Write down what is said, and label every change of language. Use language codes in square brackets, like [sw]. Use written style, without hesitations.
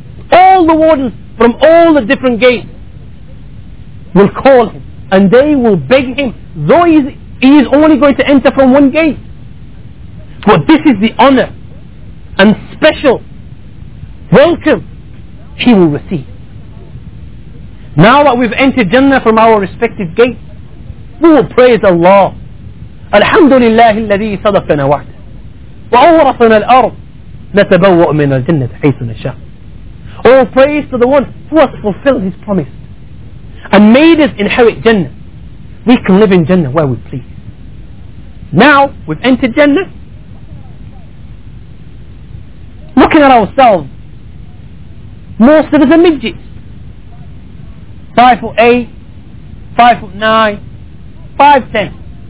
[en] All the wardens from all the different gates will call him and they will beg him, though he is only going to enter from one gate. But this is the honor and special welcome he will receive. Now that we've entered Jannah from our respective gate, we will praise Allah. [ar] Alhamdulillah الذي صدقنا وعده وأورثنا الأرض نتبوأ من الجنة حيث نشاء. [en] All praise to the one who has fulfilled his promise and made us inherit Jannah. We can live in Jannah where we please. Now we've entered Jannah, looking at ourselves, most of us are midgets, 5'8", 5'9", 5'10".